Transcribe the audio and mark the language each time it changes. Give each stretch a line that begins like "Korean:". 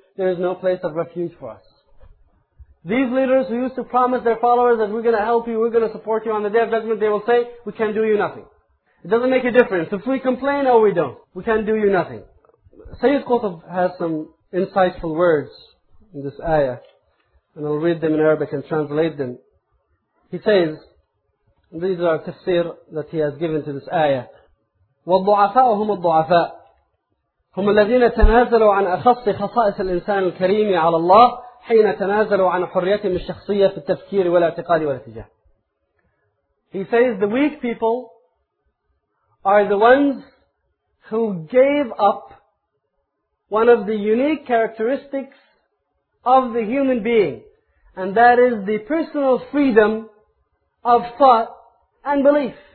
English: There is no place of refuge for us. These leaders who used to promise their followers that we're going to help you, we're going to support you on the Day of Judgment, they will say, we can do you nothing. It doesn't make a difference. If we complain or we don't, we can do you nothing. Sayyid Qutb has some insightful words in this ayah, and I'll read them in Arabic and translate them. He says, these are tafsir that he has given to this ayah,
Arabic: وَالضُعَفَاءُ هُمُ الضُعَفَاءُ هُمُ الَّذِينَ تَنَازَلُوا عَنْ أَخَصِّ خَصَائِصِ الْإِنسَانِ الْكَرِيمِ عَلَى اللَّهِ حِينَ تَنَازَلُوا عَنْ حُرِّيَتِهِمُ الشَّخْصِيَّةِ فِي التَّفْكِيرِ وَالْاَعْتِقَادِ وَالْاَتِجَاهِ.
English: He says the weak people are the ones who gave up one of the unique characteristics of the human being, and that is the personal freedom of thought and belief.